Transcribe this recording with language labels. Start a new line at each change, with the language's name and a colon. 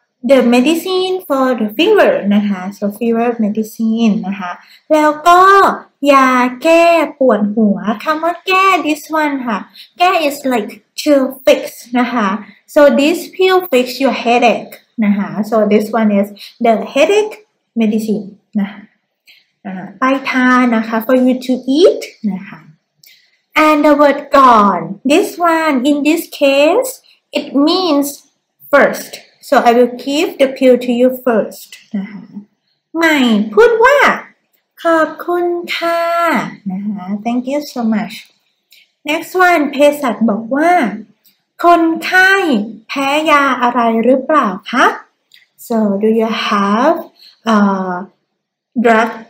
English: the medicine for the fever นะคะ so fever medicine นะคะ
Thai: แล้วก็ยาแก้ปวดหัวคำว่าแก้
English: this one ค่ะแก้ is like to fix นะคะ so this pill fix your headache นะคะ so this one is the headache medicine นะคะ
Thai: ไปทานนะคะ
English: for you to eat นะคะAnd the word gone. This one, in this case, it means first. So I will give the pill to you first.
Thai: ใหม่พูดว่าขอบคุณค่ะนะคะ
English: Thank you so much. Next one,
Thai: เภสัชบอกว่าคนไข้แพ้ยาอะไรหรือเปล่าคะ
English: So do you have a drug?